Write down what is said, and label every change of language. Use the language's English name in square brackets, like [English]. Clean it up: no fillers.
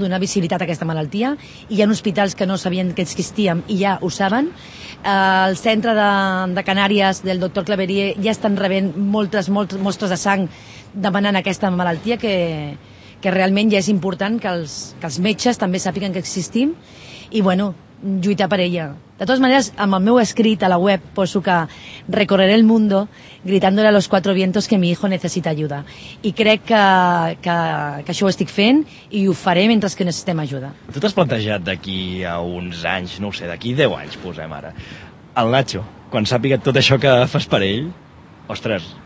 [Catalan] Donar visibilitat a aquesta malaltia. Hi ha hospitals que no sabien que existíem i ja ho saben. El centre de Canàries del doctor Claverier ja estan rebent moltes mostres de sang demanant aquesta malaltia, que realment ja és important que els metges també sàpiguen que existim i, bueno, lluitar per ella. De totes maneres, amb el meu escrit a la web poso que [Spanish] recorreré el mundo gritándole a los cuatro vientos que mi hijo necesita ayuda. [Catalan] I crec que això ho estic fent i ho faré mentre que necessitem ajuda. Tu t'has plantejat d'aquí a uns anys, no ho sé, d'aquí 10 anys, posem ara, el Nacho, quan sàpiga tot això que fas per ell, ostres...